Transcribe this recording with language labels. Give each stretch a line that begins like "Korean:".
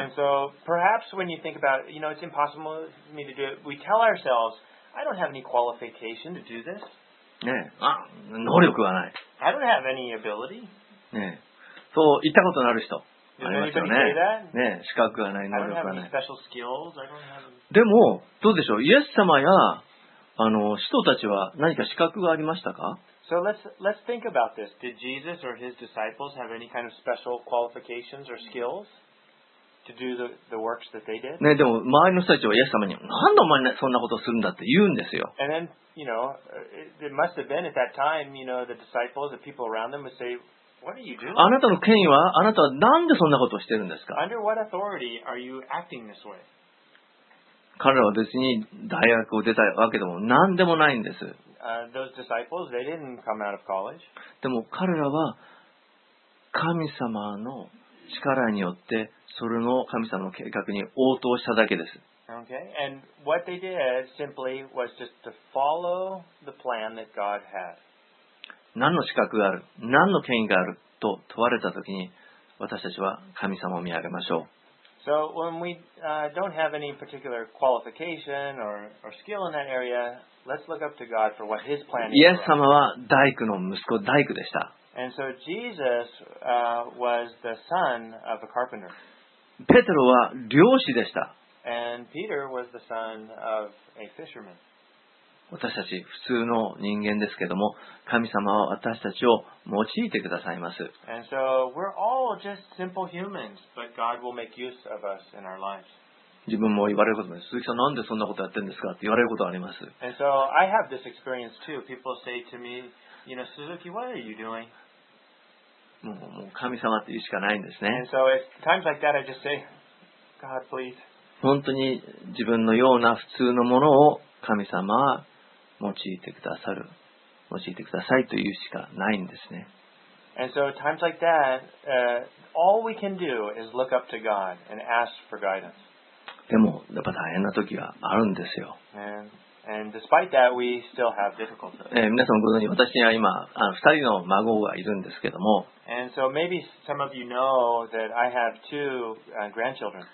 English: And so perhaps when you think about it, you know, it's impossible for me to do it. We tell ourselves, I don't have any qualification to do this.
Japanese: ねえ、あ、能力はない。
English: I don't have any ability.
Japanese: ねえ、そう言ったことのある人ありますよね。
English: Did anybody say that?
Japanese: ねえ、資格がない、能力がない。
English: I don't have any special skills. I don't have any...
Japanese: でもどうでしょう、イエス様やあの使徒たちは何か資格がありましたか？
English: So let's think about this. Did Jesus or his disciples have any kind of special qualifications or skills to do the works that they did?
Japanese: ね、でも周りの人たちはイエス様に、何でお前そんなことをするんだって言うんですよ。
English: And then, you know, it must have been at that time, you know, the disciples, the people around them would say, what are you doing?
Japanese: あなたの権威は、あなたはなんでそんなことをしてるんですか？
English: Under what authority are you acting this way?
Japanese: 彼らは別に大学を出たわけでも何でもないんです。
English: Those disciples, they didn't come out of college.
Japanese: でも彼らは神様の力によってそれの神様の計画に応答しただけです。
English: Okay. And what they did simply was just to follow the plan that God had.
Japanese: 何の資格がある、何の権威があると問われたときに、私たちは神様を見上げましょう。
English: So when we don't have any particular qualification or skill in that area, let's look up to God for what His plan is.
Japanese: イエス様は大工の息子、大工でした。
English: And so Jesus was the son of a carpenter.
Japanese: ペテロは漁師でした。
English: And Peter was the son of a fisherman.
Japanese: 私たち普通の人間ですけども、神様は私たちを用いてくださいます。
English: And so we're all just simple humans, but God will make use of us in our lives.
Japanese: 自分も言われることです。鈴木さん、なんでそんなことやってんですかって言われることがあります。
English: And so I have this experience too. People say to me, you know, Suzuki, what are you doing?
Japanese: もう神様って言うしかないんですね。
English: And so at times like that, I just say, God, please.
Japanese: 本当に自分のような普通のものを神様は用いてくださる、用いてくださいと言うしかないんですね。
English: And so at times like that, all we can do is look up to God and ask for guidance.
Japanese: でもやっぱ大変な時があるんですよ。
English: And despite that, we still have difficulties.
Japanese: 皆さんご存知、私には今2人の孫がいるんですけども。
English: And so maybe some of you know that I have two grandchildren.